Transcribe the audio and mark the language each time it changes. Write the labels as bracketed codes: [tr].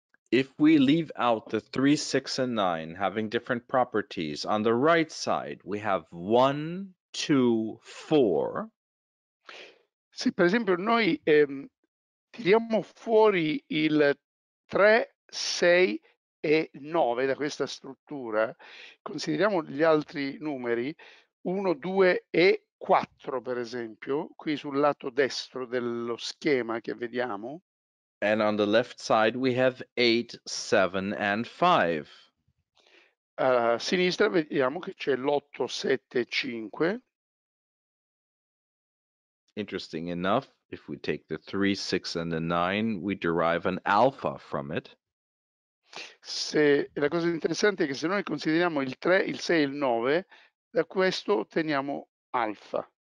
[en] If we leave out the 3, 6, and 9 having different properties, on the right side we have 1, 2, 4. [it] Se per esempio noi tiriamo fuori il 3, 6 e 9 da questa struttura, consideriamo gli altri numeri 1, 2 e 4, per esempio, qui sul lato destro dello schema che vediamo. [en] And on the left side we have 8, 7 and 5. [it] A sinistra vediamo che c'è l'8, 7 e 5. [en] Interesting enough, if we take the 3, 6 and the 9, we derive an alpha from it. [it] Se, la cosa interessante è che se noi consideriamo il 3, il 6 e il 9, da questo otteniamo alpha.